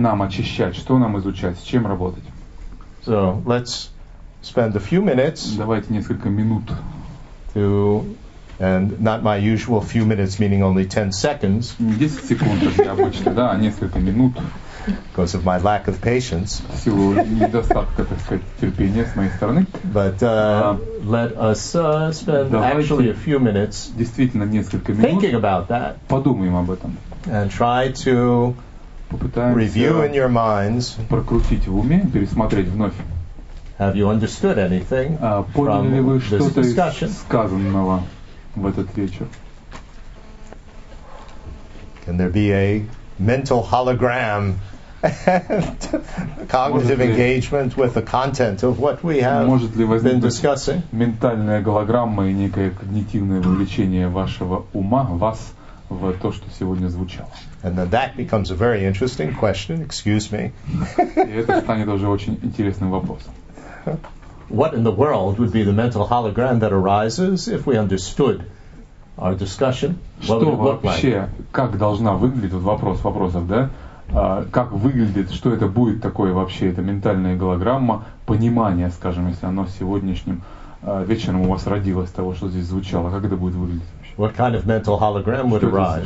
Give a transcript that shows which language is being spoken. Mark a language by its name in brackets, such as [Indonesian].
[Russian] Нам очищать, что нам изучать, с чем работать? [English] So, let's spend a few minutes. [Russian] Давайте несколько минут. [English] To and not my usual few minutes meaning only 10 seconds. [Russian] 10 секунд обычно, да, несколько минут. [English] Because of my lack of patience. [Russian] Всего недостатка, так сказать, терпения с моей стороны. [English] But let us spend actually a few minutes [Russian] действительно несколько минут [English] thinking about that. [Russian] Подумаем об этом. [English] And try to [Russian] попытаемся [English] review in your minds. [Russian] Прокрутить в уме, пересмотреть вновь. [English] Have you understood anything from this discussion? [Russian] Поняли ли вы что-то из сказанного в этот вечер? [English] Can there be a mental hologram and cognitive engagement with the content of what we have been discussing? [Russian] Ментальная голограмма и некое когнитивное вовлечение вашего ума вас в то, что сегодня звучало. [English] And then that becomes a very interesting question. Excuse me. [Russian] И это станет уже очень интересным вопросом. [English] What in the world would be the mental hologram that arises if we understood our discussion? [Russian] Что вообще, как должна выглядеть, вот вопрос вопросов, да? Как выглядит, что это будет такое вообще, эта ментальная голограмма, понимание, скажем, если оно сегодняшним вечером у вас родилось, того, что здесь звучало, как это будет выглядеть вообще? [English] What kind of mental hologram would arise?